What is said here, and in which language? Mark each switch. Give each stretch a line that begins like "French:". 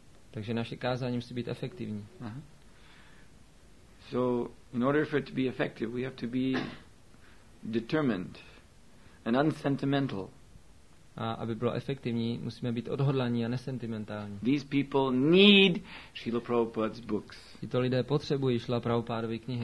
Czech: Takže naše kázání musí být efektivní.
English: So in order for it to be effective, we have to be determined and unsentimental.
Czech: aby bylo efektivní, musíme být odhodlaní a nesentimentální.
English: These people need Srila Prabhupada's books.
Czech: Tito lidé potřebují Srila Prabhupádovy knihy.